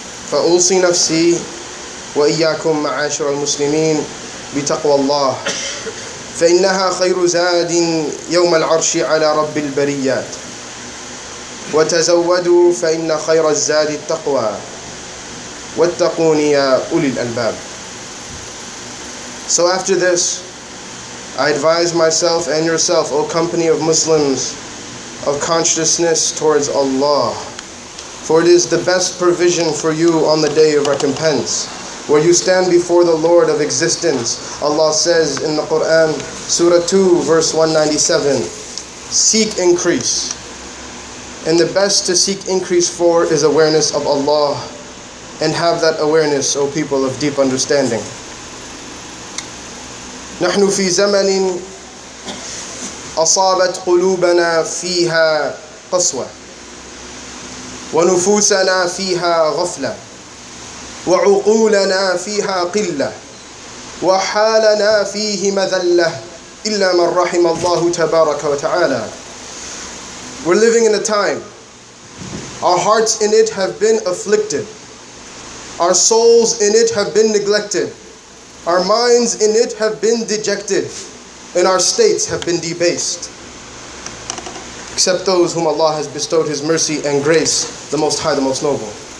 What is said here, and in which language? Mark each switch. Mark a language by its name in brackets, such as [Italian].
[Arabic] فأوصي نفسي وإياكم معاشر المسلمين بتقوى الله فإنها خير زاد يوم العرش على رب البريات وتزودوا فإن خير الزاد التقوى واتقون يا أولي الألباب. [English] So after this, I advise myself and yourself, O company of Muslims, of consciousness towards Allah. For it is the best provision for you on the day of recompense, where you stand before the Lord of existence. Allah says in the Quran, Surah 2, verse 197, seek increase. And the best to seek increase for is awareness of Allah. And have that awareness, O people of deep understanding. [Arabic] نَحْنُ فِي زَمَنٍ أَصَابَتْ قُلُوبَنَا فِيهَا قَصْوَةً ونفوسنا فيها غفلة وعقولنا فيها قلة وحالنا فيه مذلة إلا من رحم الله تبارك وتعالى. [English] We're living in a time. Our hearts in it have been afflicted. Our souls in it have been neglected. Our minds in it have been dejected. And our states have been debased. Except those whom Allah has bestowed His mercy and grace, the Most High, the Most Noble.